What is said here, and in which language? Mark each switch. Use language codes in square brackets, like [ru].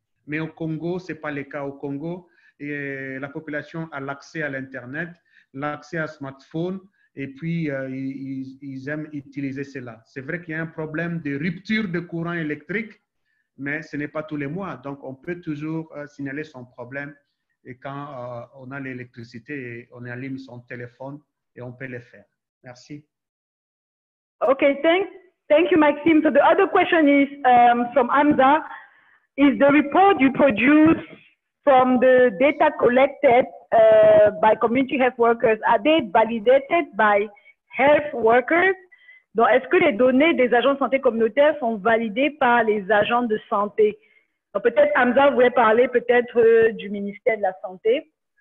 [fr] Mais au Congo, ce n'est pas le cas. Au Congo, la population a l'accès à l'Internet, l'accès à smartphone, et puis ils aiment utiliser cela. C'est vrai qu'il y a un problème de rupture de courant électrique, mais ce n'est pas tous les mois. Donc, on peut toujours signaler son problème et quand on a l'électricité, on allume son téléphone et on peut le faire. Merci. [en] OK, thank you, Maxime. So the other question is from Amza. Is the report you produce from the data collected by community health workers, are they validated by health workers? [fr] Donc, est-ce que les données des agents de santé communautaire sont validées par les agents de santé? Donc, peut-être Hamza voulait parler peut-être du ministère de la Santé.